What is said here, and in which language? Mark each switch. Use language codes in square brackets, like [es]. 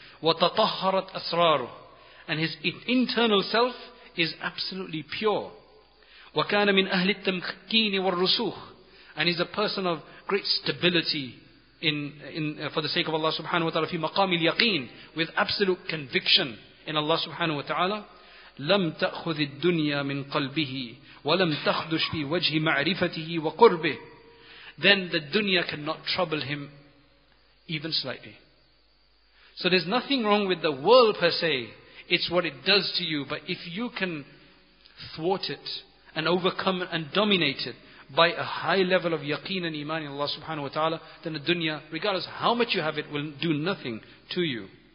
[ar] وَتَطَهَّرَتْ أَسْرَارُهُ [en] And his internal self is absolutely pure. [ar] وَكَانَ مِنْ أَهْلِ التَّمْكِينِ وَالرُّسُوخِ [en] And he's a person of great stability for the sake of Allah subhanahu wa ta'ala, [ar] في مقام اليقين, [en] with absolute conviction in Allah subhanahu wa ta'ala. [ar] لَمْ تَأْخُذِ الدُّنْيَا مِنْ قَلْبِهِ وَلَمْ تَخْدُشْ فِي وَجْهِ مَعْرِفَتِهِ وَقُرْبِهِ [en] Then the dunya cannot trouble him even slightly. So there's nothing wrong with the world per se. It's what it does to you. But if you can thwart it and overcome and dominate it by a high level of yaqeen and iman in Allah subhanahu wa ta'ala, then the dunya, regardless how much you have it, will do nothing to you.